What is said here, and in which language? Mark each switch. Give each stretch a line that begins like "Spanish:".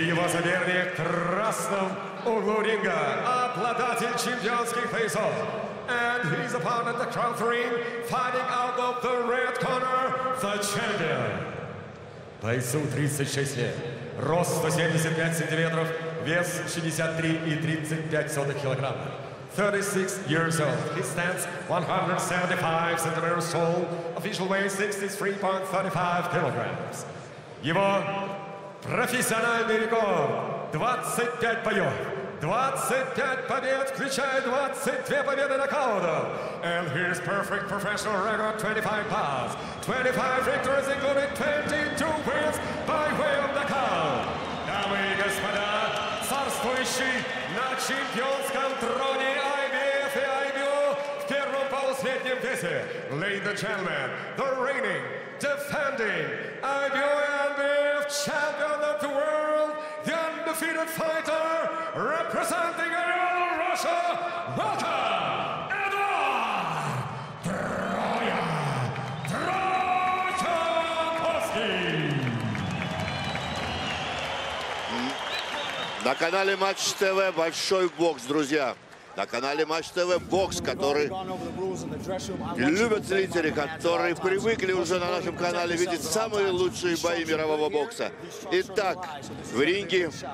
Russian: Соперник в красном углу ринга, обладатель чемпионских поясов.
English: And his opponent, the crown ring, fighting out of the red corner, the champion.
Russian: Бойцу 36 лет. Рост 175 сантиметров, вес 63,35 килограмма.
English: 36 years old. He stands 175 centimeters tall. Official weight 63.35 kilograms.
Russian: Его профессиональный рекорд. 25 боев. 25 побед, включая 22 победы нокаутом.
English: And his perfect professional record 25 bouts. 25 victories, including 22 wins by way of knockout.
Russian: Дамы и господа, царствующий на чемпионском троне IBF и IBO в первом полусреднем весе.
English: Ladies and gentlemen, the reigning, defending IBO and IBF champion of the world, the undefeated fighter, representing all of Russia, welcome, Эдуард Троя, Троя-Ковский!
Russian: На канале Матч ТВ большой бокс, друзья. На канале Матч ТВ бокс, который любят зрители, которые привыкли уже на нашем канале видеть самые лучшие бои мирового бокса. Итак, в ринге...